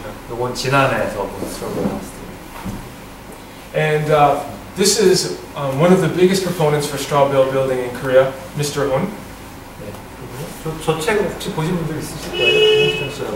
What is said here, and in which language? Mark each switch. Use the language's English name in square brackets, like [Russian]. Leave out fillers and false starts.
[Korean] 이건 지난해에서 본 straw bale buildings. [English] And this is one of the biggest proponents for straw bale building in Korea, Mr. Hun. [Korean] 네. 저 책 혹시 보신 분들 있으실 거예요?